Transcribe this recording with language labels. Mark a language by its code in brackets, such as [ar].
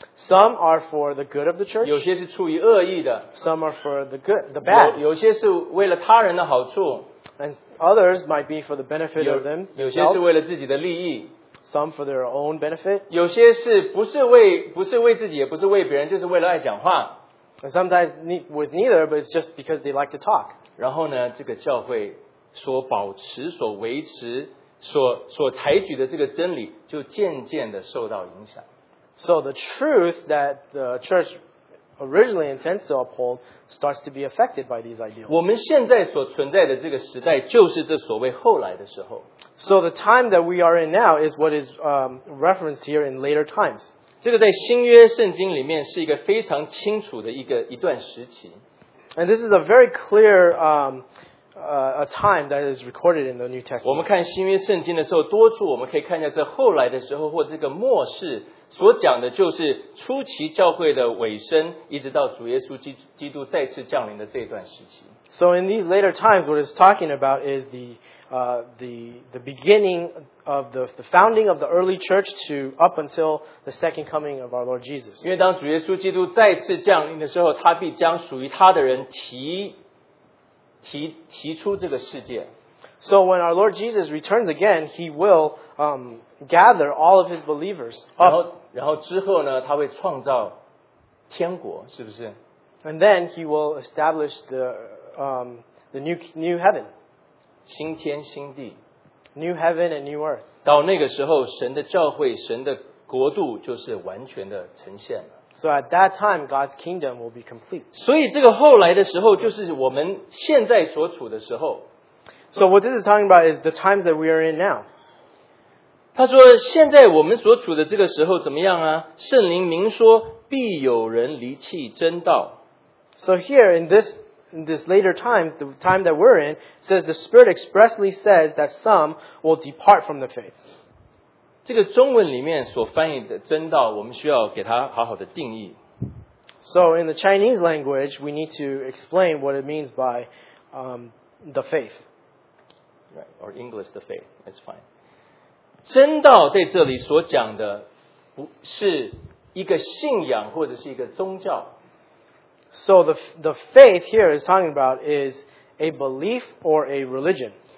[en] Some are for the good of the church. [zh] 有些是出于恶意的。 [en] Some are for the good, the bad. [zh] 有些是为了他人的好处。 [en] And others might be for the benefit of them. [zh] 有些是为了自己的利益。 [en] Some for their own benefit. [zh] 有些是不是为自己，也不是为别人，就是为了爱讲话。 [en] And sometimes with neither, but it's just because they like to talk. [zh] 然后呢，这个教会所保持、所维持、所采取的这个真理，就渐渐的受到影响。 [en] So the truth that the church originally intends to uphold starts to be affected by these ideals. [zh] 我们现在所存在的这个时代，就是这所谓后来的时候。 [en] So the time that we are in now is what is referenced here in later times. [zh] 这个在新约圣经里面是一个非常清楚的一段时期。 [en] And this is a very clear a time that is recorded in the New Testament. [zh] 我们看新约圣经的时候，多处我们可以看见这后来的时候或这个末世。所讲的就是初期教会的尾声，一直到主耶稣基督再次降临的这段时期。 [en] So in these later times, what it's talking about is the beginning of the founding of the early church to up until the second coming of our Lord Jesus. [zh] 因为当主耶稣基督再次降临的时候，他必将属于他的人提出这个世界。 [en] So when our Lord Jesus returns again, he will gather all of his believers up. [zh] 然后之后呢，他会创造天国，是不是？ [en] And then he will establish the new heaven. [zh] 新天新地。 [en] New heaven and new earth. [zh] 到那个时候，神的教会，神的国度就是完全的呈现了。 [en] So at that time, God's kingdom will be complete. [zh] 所以这个后来的时候，就是我们现在所处的时候。 [en] So what this is talking about is the times that we are in now. [zh] 他说现在我们所处的这个时候怎么样啊？圣灵明说必有人离弃真道。 [en] So here in this later time, the time that we're in, says the Spirit expressly says that some will depart from the faith. [zh] 这个中文里面所翻译的真道，我们需要给它好好的定义。 [en] So in the Chinese language, we need to explain what it means by the faith. Right, or English, the faith. That's fine. [zh] 真道在这里所讲的不是一个信仰或者是一个宗教。 [en] So the faith here is talking about is a belief or a religion.